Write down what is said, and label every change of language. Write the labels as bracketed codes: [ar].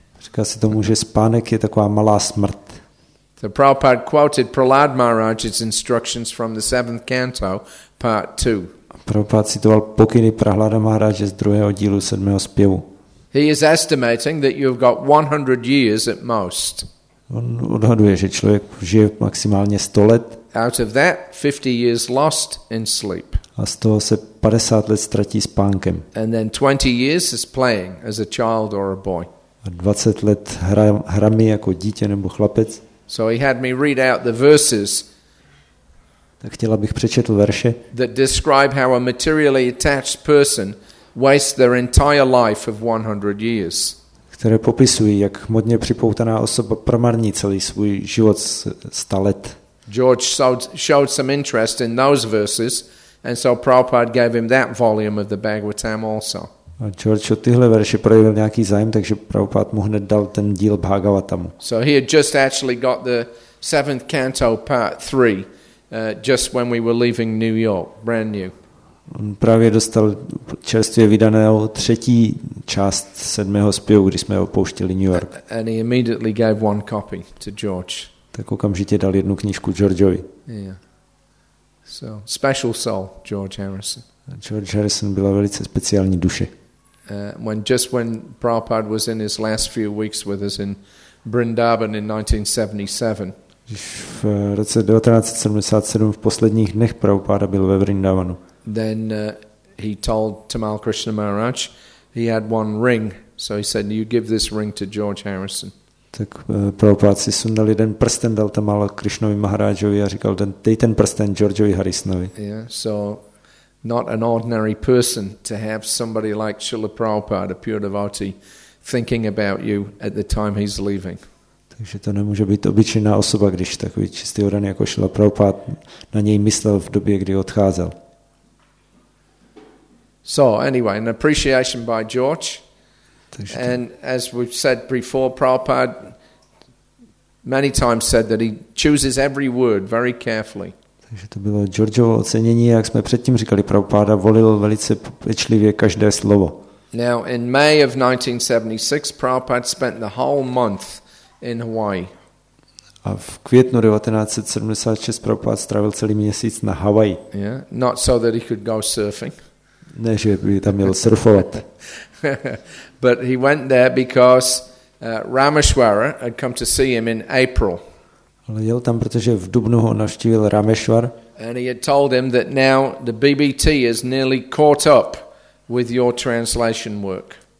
[cs] Říká se tomu, že spánek je taková malá smrt. [en] The Prabhupada quoted Prahlad Maharaj's instructions from the 7th canto, part 2. [cs] Prabhupada citoval pokyny Prahlada Maharaje z 2. dílu 7. zpěvu. [en] He is estimating that you have got 100 years at most. [cs] On odhaduje, že člověk žije maximálně 100 let. [en] Out of that, 50 years lost in sleep. [cs] A z toho se 50 let ztratí spánkem. [en] And then 20 years is playing as a child or a boy. [cs] A 20 let hrami jako dítě nebo chlapec. [en] So he had me read out the verses. [cs] Tak chtěl, abych přečetl verše. [en] That describe how a materially attached person waste their entire life of 100 years. [cs] Které popisují, jak hmotně připoutaná osoba promarní celý svůj život 100 let. [en] George showed some interest in those verses, and so Prabhupada gave him that volume of the Bhagavatam also. [cs] A George od tyhle verše projevil nějaký zájem, takže Prabhupada mu hned dal ten díl Bhagavatamu. [en] So he had just actually got the 7th canto part 3 just when we were leaving New York, brand new. [cs] On právě dostal čerstvě vydaného 3. část 7. zpěvu, když jsme opouštili New York. [en] And he immediately gave one copy to George. [cs] Tak okamžitě dal jednu knížku Georgeovi. [en] Yeah. So, special soul, George Harrison. [cs] George Harrison byla velice speciální duše. [en] When Prabhupada was in his last few weeks with us in Vrindavan in 1977. [cs] Když v roce 1977 v posledních dnech Prabhupada byl ve Vrindavanu. [en] then he told Tamal Krishna Maharaj he had one ring, so he said, "You give this ring to George Harrison." [cs] Tak Prabhupada si sundal jeden prsten, dal Tamal Krishnovi Maharajovi a říkal, dej ten prsten Georgeovi Harrisonovi. [en] Yeah, so not an ordinary person to have somebody like Srila Prabhupada, a pure devotee, thinking about you at the time he's leaving. [cs] Takže to nemůže být obyčejná osoba, když takový čistý odan jako Srila Prabhupada na něj myslel v době, kdy odcházel. [en] So anyway, an appreciation by George. And as we've said before, Prabhupada many times said that he chooses every word very carefully. [cs] Takže to bylo Georgeovo ocenění, jak jsme předtím říkali, Prabhupada volil velice pečlivě každé slovo. [en] Now in May of 1976, Prabhupada spent the whole month in Hawaii. [cs] A v květnu 1976 Prabhupada strávil celý měsíc na Hawaii. [en] Yeah, not so that he could go surfing. [cs] Ne, že by tam měl surfovat. [en] But he went there because Rameshwara had come to see him in April. [cs] Ale jel tam, protože v dubnu ho navštívil Rameshwar. [en] And he had told him that now the BBT is nearly caught up with your translation work.